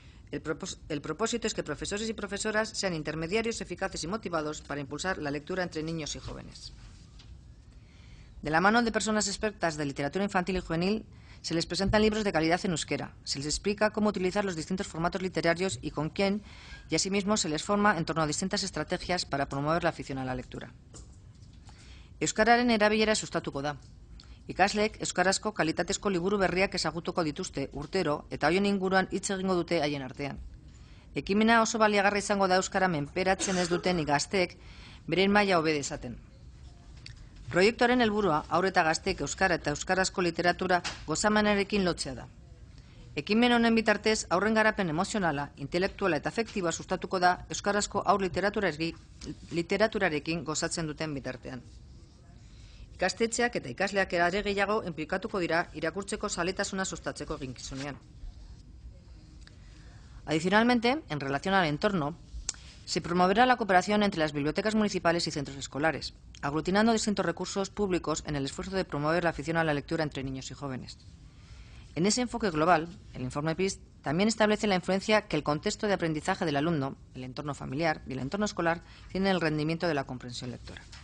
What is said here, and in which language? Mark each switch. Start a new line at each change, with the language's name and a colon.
Spanish: El propósito es que profesores y profesoras sean intermediarios eficaces y motivados para impulsar la lectura entre niños y jóvenes. De la mano de personas expertas de literatura infantil y juvenil, se les presentan libros de calidad en euskera, se les explica cómo utilizar los distintos formatos literarios y con quién, y asimismo se les forma en torno a distintas estrategias para promover la afición a la lectura.
Basque: Euskararen erabilera sustatuko da. Ikasleek euskarazko kalitatezko liburu berriak ezagutuko dituzte urtero eta hoien inguruan hitz egingo dute haien artean. Ekimena oso baliagarri izango da euskara menperatzen ez duten gazteek beren maila hobe dezaten. Proiektuaren helburua haur eta gazteek euskara eta euskarazko literatura gozamenarekin lotzea da. Ekimen honen bitartez aurren garapen emozionala, intelektuala eta afektiboa sustatuko da euskarazko haur literaturarekin gozatzen duten bitartean. Ikastetxeak eta ikasleak ere gehiago inplikatuko dira irakurtzeko zaletasuna sustatzeko eginkizunean.
Spanish: Adicionalmente, en relación al entorno, se promoverá la cooperación entre las bibliotecas municipales y centros escolares, aglutinando distintos recursos públicos en el esfuerzo de promover la afición a la lectura entre niños y jóvenes. En ese enfoque global, el informe PIS también establece la influencia que el contexto de aprendizaje del alumno, el entorno familiar y el entorno escolar tienen en el rendimiento de la comprensión lectora.